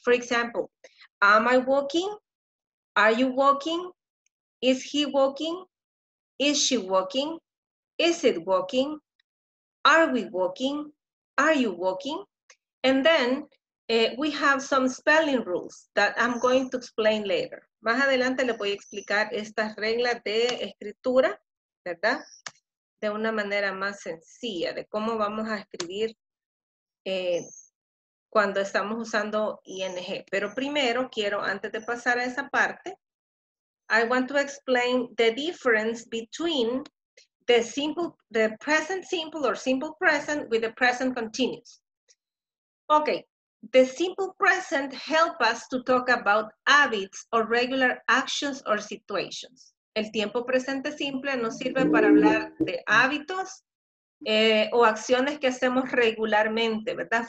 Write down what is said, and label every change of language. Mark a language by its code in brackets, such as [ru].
[en] For example, am I walking? Are you walking? Is he walking? Is she walking? Is it walking? Are we walking? Are you walking? And then we have some spelling rules that I'm going to explain later. [es] Más adelante le voy a explicar estas reglas de escritura, ¿verdad? De una manera más sencilla, de cómo vamos a escribir cuando estamos usando ing. Pero primero quiero, antes de pasar a esa parte, [en] I want to explain the difference between the simple, the present simple or simple present with the present continuous. Okay, the simple present help us to talk about habits or regular actions or situations. [es] El tiempo presente simple nos sirve para hablar de hábitos o acciones que hacemos regularmente, ¿verdad?